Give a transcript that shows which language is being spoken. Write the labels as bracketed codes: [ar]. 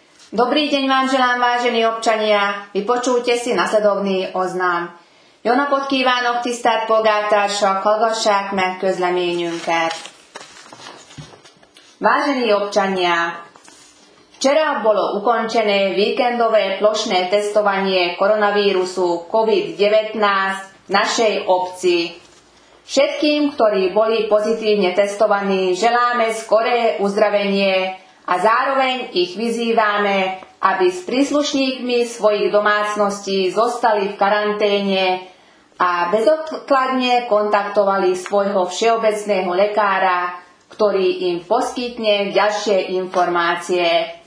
[sk] Dobrý deň vám želám, vážení občania. Vypočujte si nasledovný oznám. [hu] Jó napot kívánok, tisztelt polgártársak, hallgassák meg közleményünket. [sk] Vážení občania, včera bolo ukončené víkendové plošné testovanie koronavírusu COVID-19 v našej obci. Všetkým, ktorí boli pozitívne testovaní, želáme skoré uzdravenie a zároveň ich vyzývame, aby s príslušníkmi svojich domácností zostali v karanténe a bezodkladne kontaktovali svojho všeobecného lekára, ktorý im poskytne ďalšie informácie.